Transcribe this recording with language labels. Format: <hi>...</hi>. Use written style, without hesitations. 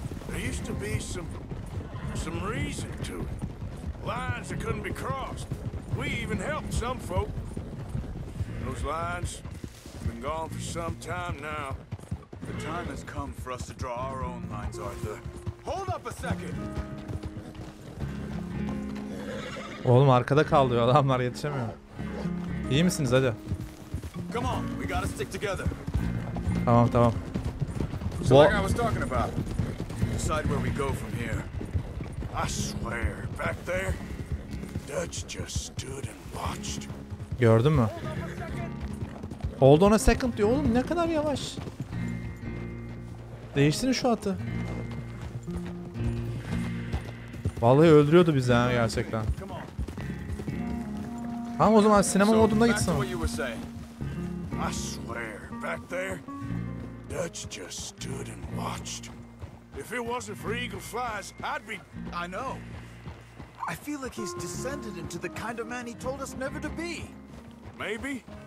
<en>There used to be some reason to it. Lines that couldn't be crossed. We even helped some folk. Those lines have been gone for some time now. The time has come for us to draw our own lines, Arthur. Hold up a second!</en> <tr>Oğlum arkada kaldı ya, adamlar yetişemiyor. İyi misiniz hadi?</tr> <en>Come on, we gotta stick together.</en> <tr>Tamam tamam.</tr> <en>So what? Like I was talking about. Decide where we go from here. I swear, back there, Dutch just stood and watched.</en> <tr>Gördün mü? Hold on a second diyor oğlum, ne kadar yavaş. Değişsin şu atı. Vallahi öldürüyordu bizi ha gerçekten. Tamam o zaman sinema modunda gitsin.</tr> <en>I swear, back there, Dutch just stood and watched. If it wasn't for Eagle Flies, I'd be... I know. I feel like he's descended into the kind of man he told us never to be. Maybe.</en>